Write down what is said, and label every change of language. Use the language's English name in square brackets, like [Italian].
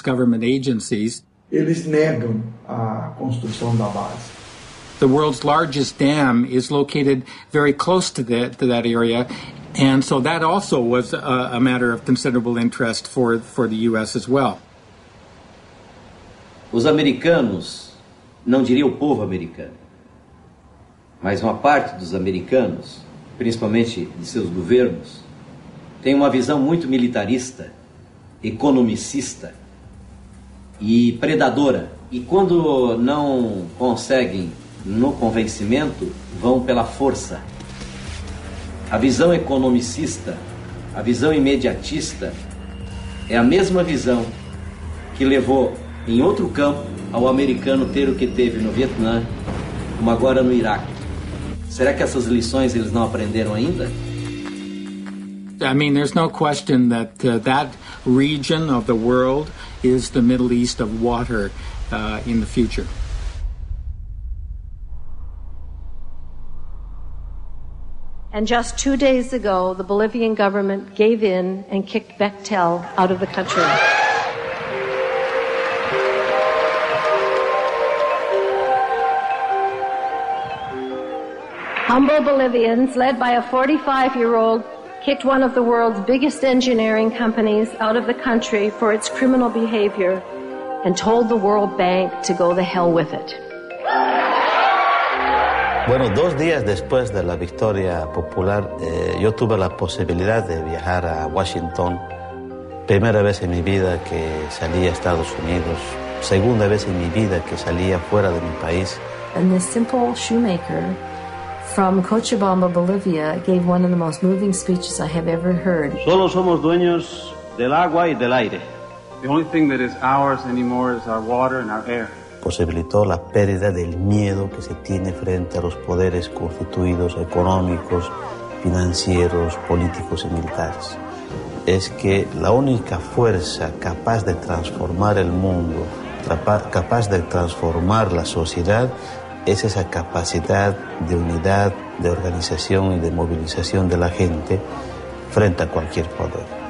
[English] government agencies. [Portuguese] Eles negam a construção da base. [English] The world's largest dam is located very close to that area, and so that also was a matter of considerable interest for the U.S. as well. [Portuguese] Os americanos, não diria o povo americano, mas uma parte dos americanos, principalmente de seus governos, tem uma visão muito militarista, economicista e predadora. E quando não conseguem no convencimento, vão pela força. A visão economicista, a visão imediatista, é a mesma visão que levou em outro campo ao americano ter o que teve no Vietnã, como agora no Iraque. Será que essas lições eles não aprenderam ainda? [English] I mean, there's no question that that region of the world is the Middle East of water in the future. And just 2 days ago, the Bolivian government gave in and kicked Bechtel out of the country. Humble Bolivians, led by a 45-year-old, kicked one of the world's biggest engineering companies out of the country for its criminal behavior and told the World Bank to go the hell with it. [Spanish] Bueno, dos días después de la victoria popular, yo tuve la posibilidad de viajar a Washington. Primera vez en mi vida que salí a Estados Unidos. Segunda vez en mi vida que salí fuera de mi país. [English] And this simple shoemaker from Cochabamba, Bolivia, gave one of the most moving speeches I have ever heard. [Spanish] Solo somos dueños del agua y del aire. [English] The only thing that is ours anymore is our water and our air. [Spanish] Posibilitó la pérdida del miedo que se tiene frente a los poderes constituidos económicos, financieros, políticos y militares. Es que la única fuerza capaz de transformar el mundo, capaz de transformar la sociedad, es esa capacidad de unidad, de organización y de movilización de la gente frente a cualquier poder.